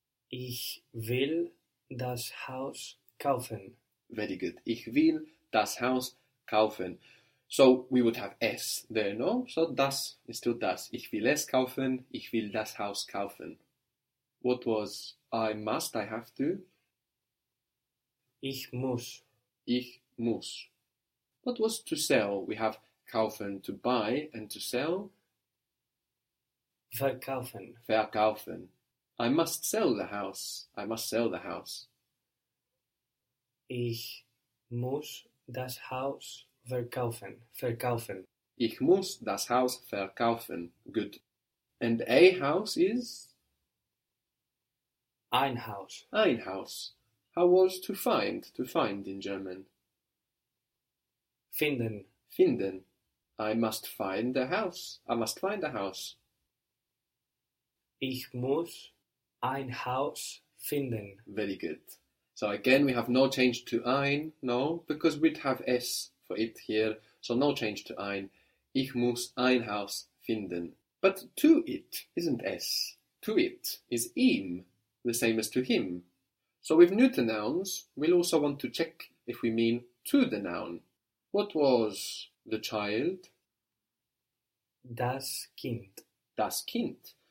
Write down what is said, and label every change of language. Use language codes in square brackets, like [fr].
[de] Ich will das Haus kaufen. [en] Very good. [de] Ich will das Haus kaufen. [en] So we would have es there, no? So das is still das. [de] Ich will es kaufen. Ich will das Haus kaufen. [en] What was I must? I have to. [de] Ich muss. Ich muss. [en] What was to sell? We have kaufen to buy and to sell. [de] Verkaufen. Verkaufen. [en] I must sell the house. I must sell the house. [de] Ich muss das Haus verkaufen. Verkaufen. Ich muss das Haus verkaufen. [en] Good. And a house is? [de] Ein Haus. Ein Haus. [en] How was to find in German? [de] Finden. Finden. [en] I must find a house. I must find a house. [de] Ich muss ein Haus finden. [en] Very good. So again, we have no change to ein, no, because we'd have es for it here. So no change to ein. Ich muss ein Haus finden. But to it isn't es. To it is ihm, the same as to him. So with neuter nouns, we'll also want to check if we mean to the noun. What was the child? [de] Das Kind. Das Kind.